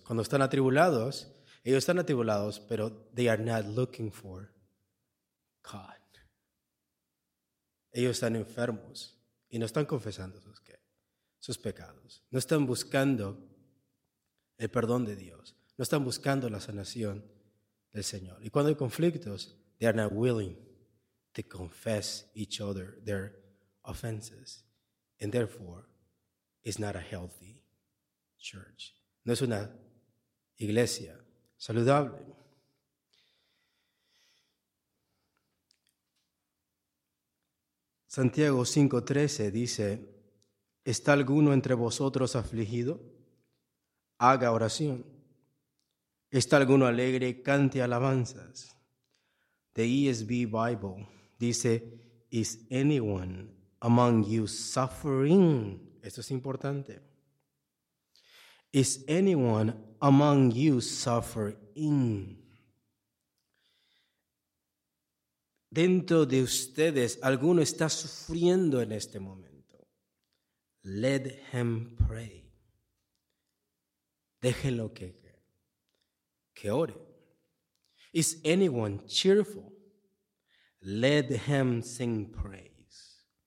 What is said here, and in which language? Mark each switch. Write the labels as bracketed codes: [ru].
[es] Cuando están atribulados, ellos están atribulados, pero [en] they are not looking for God. [es] Ellos están enfermos y no están confesando sus pecados. No están buscando el perdón de Dios. No están buscando la sanación del Señor. Y cuando hay conflictos, [en] they are not willing to confess each other their offenses. And therefore, it's not a healthy church. [es] No es una iglesia saludable. Santiago 5:13 dice, ¿está alguno entre vosotros afligido? haga oración. ¿Está alguno alegre? Cante alabanzas. [en] The ESV Bible dice, is anyone among you suffering? [es] Esto es importante. [en] Is anyone among you suffering? [es] Dentro de ustedes, alguno está sufriendo en este momento. [en] Let him pray. [es] Déjenlo que ore. [en] Is anyone cheerful? Let him sing praise.